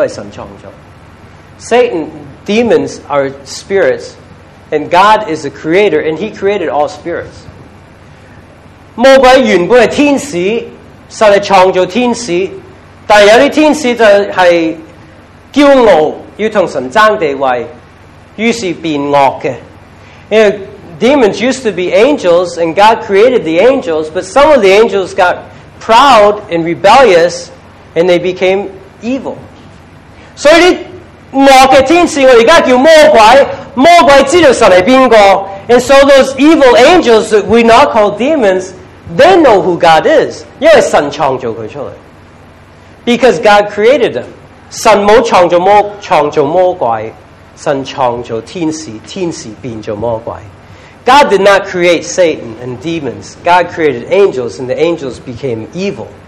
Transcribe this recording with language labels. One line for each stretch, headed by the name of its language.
Cantonese: 那我想告诉你，魔鬼是一个灵，神是创造者，所有的灵都是神创造。
English: Satan, demons are spirits, and God is the creator, and he created all spirits.
Cantonese: 魔鬼原本是天使，神是创造天使，但有些天使就是骄傲， 要跟神争地位，于是变恶的。
English: You know, demons used to be angels, and God created the angels, but some of the angels got proud and rebellious, and they became evil.
Cantonese: 所以恶的天使，我们现在叫魔鬼，魔鬼知道神是谁。
English: And so those evil angels that we now call demons, they know who God is,
Cantonese: 因为神创造他出来。
English: Because God created them.
Cantonese: 神没创造魔鬼，神创造天使，天使变成魔鬼。
English: God did not create Satan and demons. God created angels, and the angels became evil.